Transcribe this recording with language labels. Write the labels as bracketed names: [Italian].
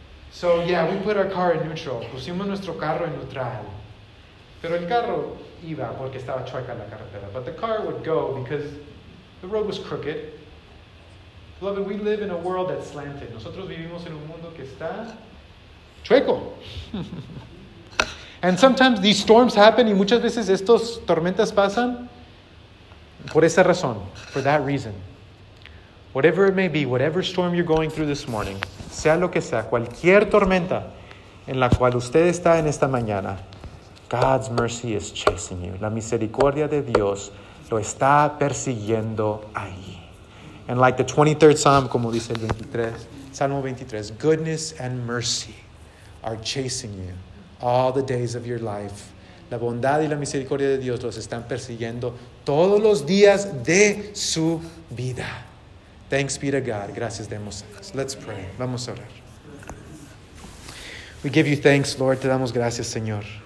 [English] So yeah, we put our car in neutral. [Spanish] Pusimos nuestro carro en neutral. Pero el carro iba porque estaba chueca la carretera. [English] But the car would go because the road was crooked. Beloved, we live in a world that's slanted. [Spanish] Nosotros vivimos en un mundo que está chueco. And sometimes these storms happen, y muchas veces estos tormentas pasan por esa razón, for that reason. Whatever it may be, whatever storm you're going through this morning, sea lo que sea, cualquier tormenta en la cual usted está en esta mañana, God's mercy is chasing you. La misericordia de Dios lo está persiguiendo ahí. [English] And like the 23rd Psalm, como dice el 23, Salmo 23, goodness and mercy are chasing you all the days of your life. [Spanish] La bondad y la misericordia de Dios los están persiguiendo todos los días de su vida. [English] Thanks be to God. Gracias demos a Dios. Let's pray. Vamos a orar. We give you thanks, Lord. [Spanish] Te damos gracias, Señor.